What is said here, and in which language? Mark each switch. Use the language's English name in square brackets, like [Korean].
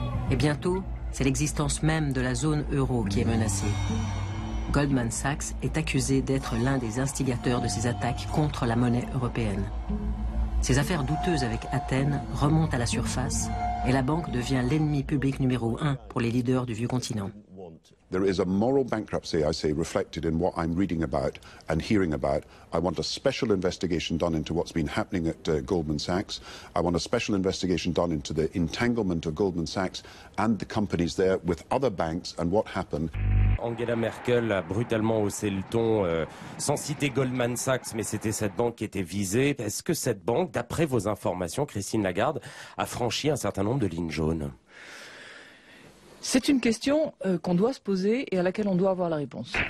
[French] Et bientôt, c'est l'existence même de la zone euro qui est menacée. Goldman Sachs est accusé d'être l'un des instigateurs de ces attaques contre la monnaie européenne. Ses affaires douteuses avec Athènes remontent à la surface et la banque devient l'ennemi public numéro un pour les leaders du vieux continent. [English] There is a moral bankruptcy, I say, reflected in what I'm reading about and hearing about. I want a special investigation done into what's been happening at Goldman Sachs. I want a special investigation done into the entanglement of Goldman Sachs and the companies there with other banks and what happened. [French] Angela Merkel a brutalement haussé le ton, sans citer Goldman Sachs, mais c'était cette banque qui était visée. Est-ce que cette banque, d'après vos informations, Christine Lagarde, a franchi un certain nombre de lignes jaunes ? C'est une question qu'on doit se poser et à laquelle on doit avoir la réponse.